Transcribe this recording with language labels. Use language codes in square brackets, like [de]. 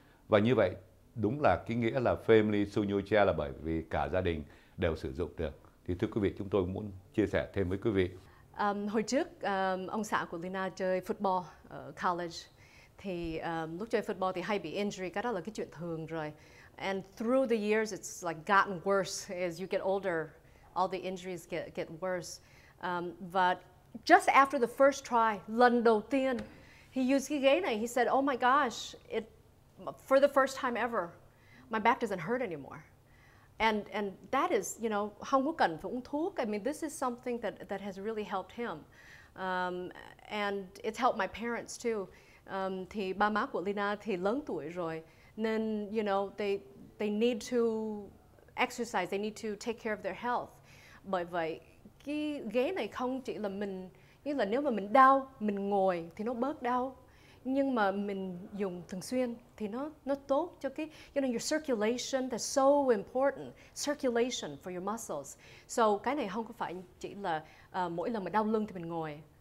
[vi] Và như vậy đúng là cái nghĩa là family sonocha là bởi vì cả gia đình đều sử dụng được. Thì thưa quý vị, chúng tôi muốn chia sẻ thêm với quý vị. Hồi trước ông xã của Lina chơi football ở college, thì lúc chơi football thì hay bị injury, cái đó là cái chuyện thường rồi. [en] And through the years, it's like gotten worse as you get older. All the injuries get worse. But just after the first try, [vi] lần đầu tiên, [en] he used [vi] cái ghế này. [en] He said, "Oh my gosh! It for the first time ever, my back doesn't hurt anymore." And that is, you know, [vi] không có cần phải uống thuốc. [en] I mean, this is something that has really helped him, and it's helped my parents too. [vi] Thì ba má của Lina thì lớn tuổi rồi. Nên, [en] you know, they need to exercise, they need to take care of their health. [vi] Bởi vậy, cái ghế này không chỉ là mình, như là nếu mà mình đau, mình ngồi thì nó bớt đau. Nhưng mà mình dùng thường xuyên thì nó tốt cho cái, [en] you know, your circulation, that's so important, circulation for your muscles. [vi] So, cái này không có phải chỉ là mỗi lần mà đau lưng thì mình ngồi.